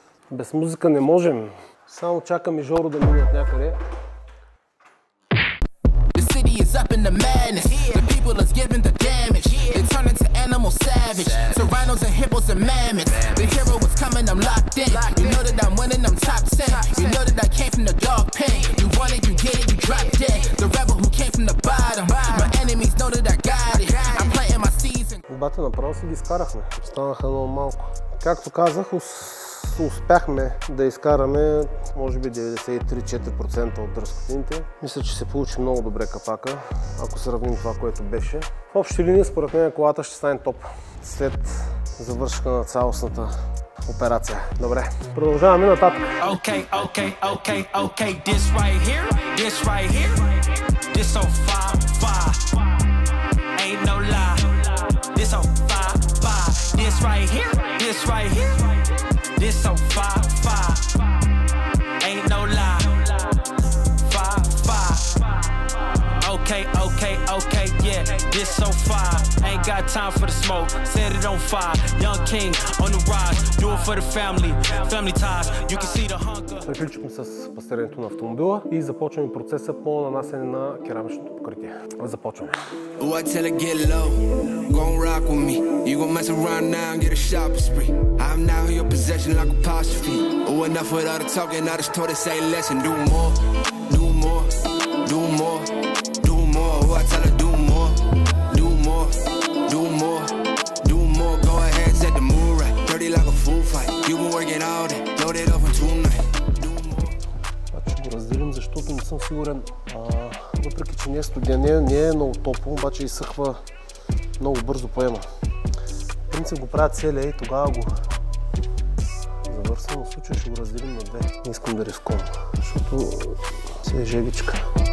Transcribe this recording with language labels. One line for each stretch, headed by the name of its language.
Bulgarian: Без музика не можем. Само чакам и Жоро да минат някъде.
English: Up in the madness, yeah. The people that's giving the damage, yeah. They turn into animal savage. So rhinos and hippos and mammoths, man. The hero was coming, I'm locked in, locked. You in. Know that I'm winning, I'm top 10. You know that I came from the dog pen, yeah. You want it, you get it, you drop, yeah. Dead, yeah. The rebel who came from the bottom, wow. My enemies know that I got it, I'm planting my season.
Bulgarian: Бате, направо си ги изкарахме. Останаха много малко. Както казах, успяхме да изкараме може би 93-4% от дръскотините. Мисля, че се получи много добре капака, ако сравним това, което беше. В общи линии, според мен, колата ще стане топ след завършка на цялостната операция. Добре, продължаваме нататък.
English: Okay, okay, okay, okay. This right here, this right here. This on fire, fire. Ain't no lie. This on fire, fire. This right here, this right here. This so fire, fire. Ain't no lie. Fire, fire. Okay, okay, okay, yeah. This so fire. Ain't got time for the smoke. Set it on fire. Young King on the rise. Do it for the family. Family ties. You can see the hunger.
Bulgarian: Приключихме с пастирането на автомобила и започваме процеса по нанасене на керамичното покритие. Започваме.
English: What till I get low? Gon' rock with me. You gon' mess around now and get a shopping spree. I'm now in your possession like apostrophe. Oh, enough with all the talking. I just told it, say less and do more. Do more. Do more. Do more. Oh, I tell her, do more. Do more. Do more. Do more. Go ahead, set the mood right. Dirty like a fool fight. You been working all day. Load it up for tonight. Do more.
Bulgarian: Значи го разделим, защото не съм сигурен. Въпреки, че не е студен, не е много топло, обаче изсъхва много бързо поема. В принцип го правя целия и тогава го завършвам. В случая ще го разделим на две. Не искам да рискувам, защото се е жегичка.